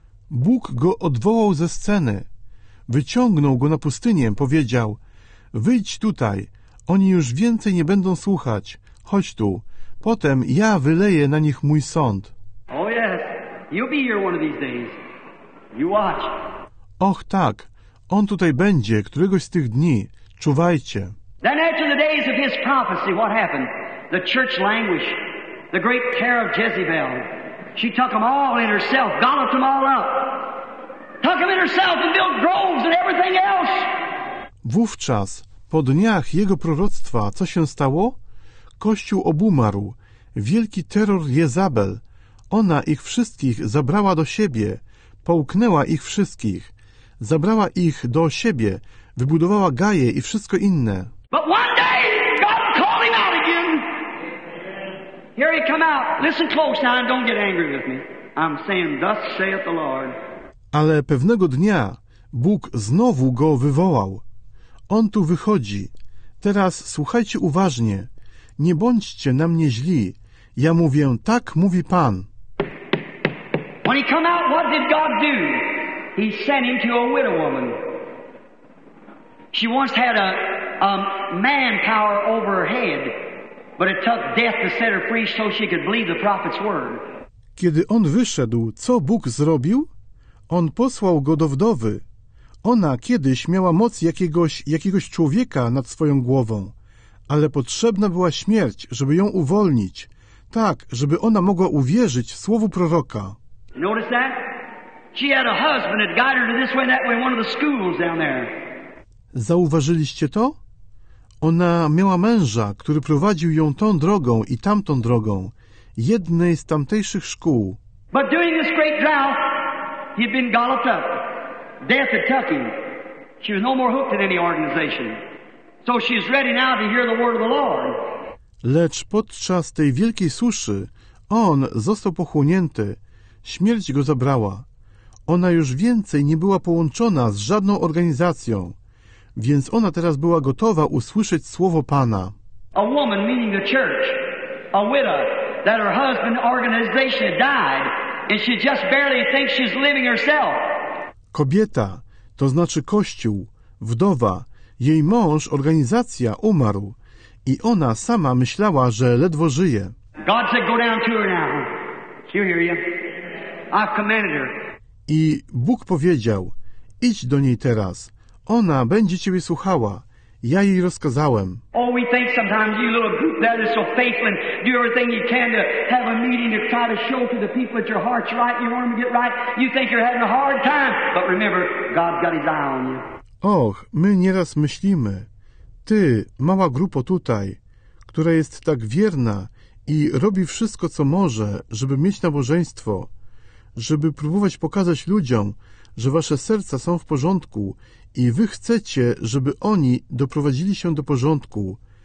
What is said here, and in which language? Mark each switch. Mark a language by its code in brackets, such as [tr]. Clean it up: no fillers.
[pl] Bóg go odwołał ze sceny, wyciągnął go na pustynię, powiedział: wyjdź tutaj, oni już więcej nie będą słuchać, chodź tu, potem ja wyleję na nich mój sąd. [en] Oh yes, you'll be here one of these days. You watch. [pl] Och tak, on tutaj będzie któregoś z tych dni, czuwajcie. [en] Then after the days of his prophecy, what happened? The church languished. The great care of Jezebel. She took them all in herself, gulped them all up. Took them in herself and built groves and everything else. [pl] Wówczas, po dniach jego proroctwa, co się stało? Kościół obumarł. Wielki terror Jezabel. Ona ich wszystkich zabrała do siebie. Połknęła ich wszystkich. Zabrała ich do siebie. Wybudowała Gaję i wszystko inne. [en] But one day, God called him out again. Here he come out. Listen close now and don't get angry with me. I'm saying, thus saith the Lord. [pl] Ale pewnego dnia Bóg znowu go wywołał. On tu wychodzi. Teraz słuchajcie uważnie. Nie bądźcie na mnie źli. Ja mówię, tak mówi Pan. [en] When he come out, what did God do? He sent him to a widow woman. She once had a man power over her head, but it took death to set her free so she could believe the prophet's word. [pl] Kiedy on wyszedł, co Bóg zrobił? On posłał go do wdowy. Ona kiedyś miała moc jakiegoś człowieka nad swoją głową, ale potrzebna była śmierć, żeby ją uwolnić, tak, żeby ona mogła uwierzyć w słowu proroka. [en] Notice that? She had a husband that guided her to this way and that way in one of the schools down there. [pl] Zauważyliście to? Ona miała męża, który prowadził ją tą drogą i tamtą drogą, jednej z tamtejszych szkół. [en] But during this great drought, he'd been galloped up. Death had took him. She was no more hooked in any organization. So she is ready now to hear the word of the Lord. [pl] Lecz podczas tej wielkiej suszy on został pochłonięty. Śmierć go zabrała. Ona już więcej nie była połączona z żadną organizacją. Więc ona teraz była gotowa usłyszeć słowo Pana. [en] A woman, meaning the church, a widow, that her husband's organization died, and she just barely thinks she's living herself. [pl] Kobieta, to znaczy kościół, wdowa, jej mąż, organizacja umarł, i ona sama myślała, że ledwo żyje. [en] God said, go down to her now. She'll hear you. I've commanded her. [pl] I Bóg powiedział, idź do niej teraz. Ona będzie ciebie słuchała. Ja jej rozkazałem. [en] Oh, we think sometimes you little group that is so faithful and do everything you can to have a meeting to try to show to the people that your heart's right and you want them to get right. You think you're having a hard time, but remember, God's got his eye on you. [pl] Och, my nieraz myślimy. Ty, mała grupo tutaj, która jest tak wierna i robi wszystko, co może, żeby mieć nabożeństwo, żeby próbować pokazać ludziom, że wasze serca są w porządku i wy chcecie, żeby oni doprowadzili się do porządku.